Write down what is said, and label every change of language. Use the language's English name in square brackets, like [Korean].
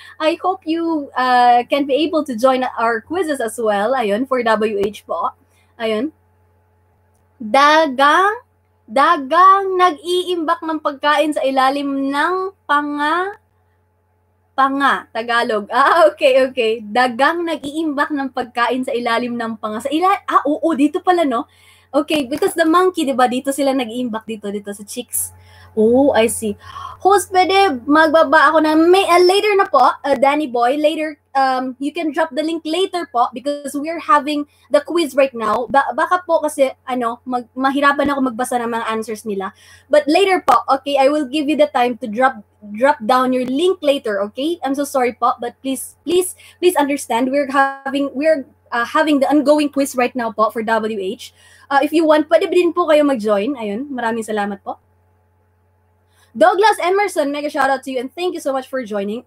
[English] I hope you can be able to join our quizzes as well. Ayun, for WH po. Ayun. [Filipino] Dagang nag-iimbak ng pagkain sa ilalim ng panga Tagalog. Ah, okay, okay. Dagang nag-iimbak ng pagkain sa ilalim ng panga. Sa ilalim. Ah, oo, dito pala, no? [English] Okay, because the monkey, diba, [Filipino] dito sila nag-imbak dito sa [English] chicks. Oh, I see. Host, [Filipino] pwede magbaba ako na may, [English] later na po, Danny Boy, later, you can drop the link later po because we're having the quiz right now. [Filipino] Baka po kasi, ano, mahirapan ako magbasa ng mga answers nila. [English] But later po, okay, I will give you the time to drop down your link later, okay? I'm so sorry po, but please understand, we're having the ongoing quiz right now po for WH. If you want, [Filipino] pwede din po kayo mag-join. [English] Ayun, [Filipino] maraming salamat po. [English] Douglas Emerson, mega shout out to you and thank you so much for joining.